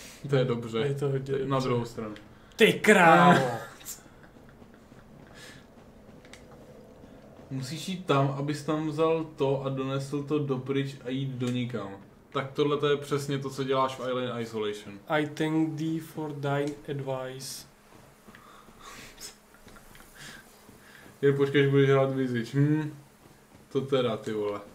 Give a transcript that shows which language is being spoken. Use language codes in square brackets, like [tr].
[cs] To je dobře. Je to hodně. Na druhou stranu. Ty krávo! Musíš jít tam, abys tam vzal to a donesl to dopryč a jít do nikam. Tak tohle to je přesně to, co děláš v Alien Isolation. [en] I thank thee for thine advice. [cs] Jen počkej, až budeš hrát Vizič. To teda, ty vole.